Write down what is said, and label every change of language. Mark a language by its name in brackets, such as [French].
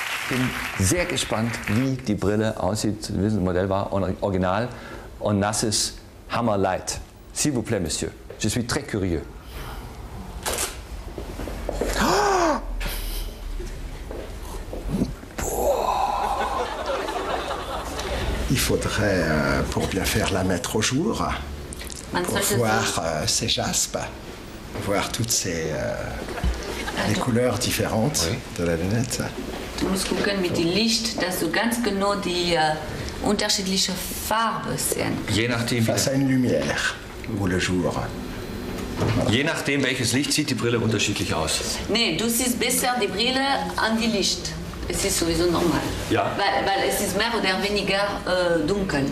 [German] Ich bin sehr gespannt, wie die Brille aussieht, wie das Modell war, original. Und das ist Hammer Light. [French] S'il vous plaît, Monsieur. Je suis très curieux. Il faudrait, pour bien faire la mettre au jour, pour voir ces jaspes, voir toutes ces les couleurs différentes de la lunette. [German] Du musst gucken mit dem Licht, dass du ganz genau die unterschiedliche Farbe sehen kannst. Je nachdem. [French] Face à une lumière, ou le jour. [German] Je nachdem, welches Licht, sieht die Brille unterschiedlich aus. Nee, du siehst besser die Brille an die Licht. Es ist sowieso normal. Ja. Weil es ist mehr oder weniger dunkel.